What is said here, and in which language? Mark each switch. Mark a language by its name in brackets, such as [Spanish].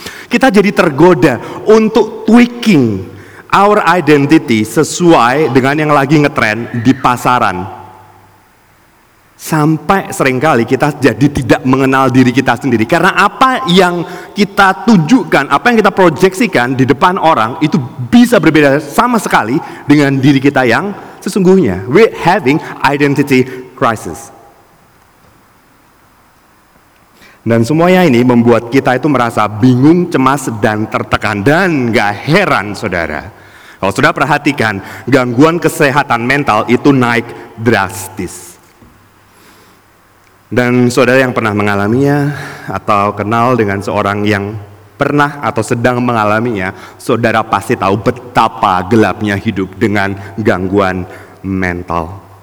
[Indonesian] Kita jadi tergoda untuk [English] tweaking our identity [Indonesian] sesuai dengan yang lagi ngetren di pasaran. Sampai seringkali kita jadi tidak mengenal diri kita sendiri. Karena apa yang kita tunjukkan, apa yang kita proyeksikan di depan orang, itu bisa berbeda sama sekali dengan diri kita yang sesungguhnya. [English] We're having identity crisis. [Indonesian] Dan semuanya ini membuat kita itu merasa bingung, cemas, dan tertekan. Dan gak heran, saudara, kalau sudah perhatikan, gangguan kesehatan mental itu naik drastis. Dan saudara yang pernah mengalaminya atau kenal dengan seorang yang pernah atau sedang mengalaminya, saudara pasti tahu betapa gelapnya hidup dengan gangguan mental.